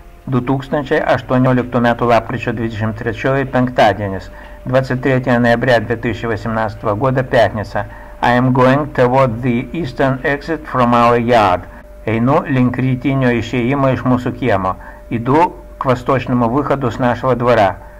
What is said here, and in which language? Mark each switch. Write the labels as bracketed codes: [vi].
[lt] 2018 metų lapkričio 23 penktadienis. [ru] 23 ноября 2018 года пятница. [en] I am going toward the eastern exit from our yard. [lt] Einu link rytinio išėjimo iš mūsų kiemo. [ru] Иду к восточному выходу с нашего двора.